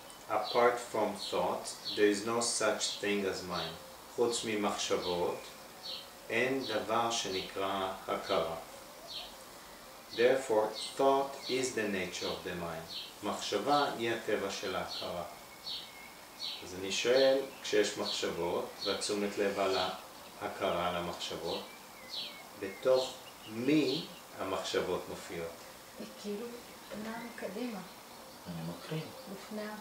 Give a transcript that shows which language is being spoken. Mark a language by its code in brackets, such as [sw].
[en] apart from thought, there is no such thing as mind. [he] חוץ ממחשבות, אין דבר שנקרא הכרה. [en] Therefore, thought is the nature of the mind. [he] מחשבה היא הטבע של ההכרה. אז אני שואל, כשיש מחשבות, ועצומת לב על ההכרה על המחשבות, בתוך מי המחשבות מופיעות? היא כאילו פנה מקדימה. אני מקרין. לפני.